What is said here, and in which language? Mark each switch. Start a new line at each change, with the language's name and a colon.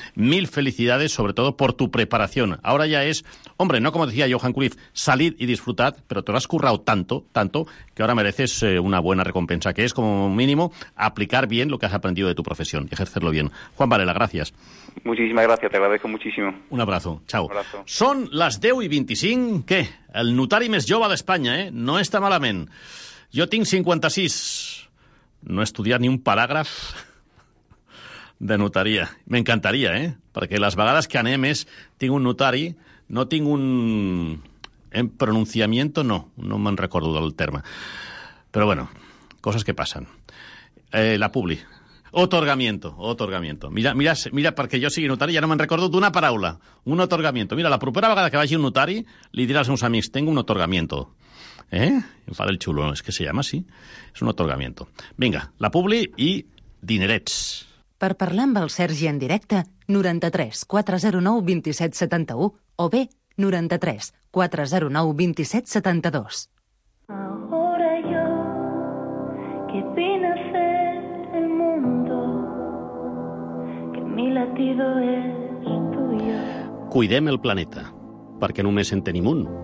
Spanish: Mil felicidades, sobre todo, por tu preparación. Ahora ya es, hombre, no como decía Johan Cruyff, salid y disfrutad, pero te lo has currado tanto, que ahora mereces una buena recompensa, que es, como mínimo, aplicar bien lo que has aprendido de tu profesión y ejercerlo bien. Juan Varela, gracias. Muchísimas gracias, te agradezco muchísimo. Un abrazo, chao. Un abrazo. Son las 10 y 25, ¿qué?
Catalan: El notari més jove d'Espanya, ¿eh? No está malament. Jo tinc 56, no he estudiat ni un paràgraf de notaria. M'encantaria, ¿eh? Perquè les vegades que anem és, tinc un notari, no tinc un pronunciamiento, no me'n recordo del terme. Però bueno, coses que passen. La publi. Otorgamiento. Mira, perquè jo sigui notari, ja no me'n recordo d'una paraula. Un otorgamiento. Mira, la propera vegada que vagi un notari, li dirà als meus amics,
Spanish: tengo un otorgamiento.
Catalan: ¿Eh?
Spanish: Enfada el chulo, es que se llama así. Es un otorgamiento. Venga,
Catalan: la publi i dinerets. Per parlar amb el Sergi en directe, 93 409 2771 o bé 93 409 2772.
Spanish: Ahora yo que vine a ser el mundo, que mi latido es tuyo.
Catalan: Cuidem el planeta, perquè només en tenim un.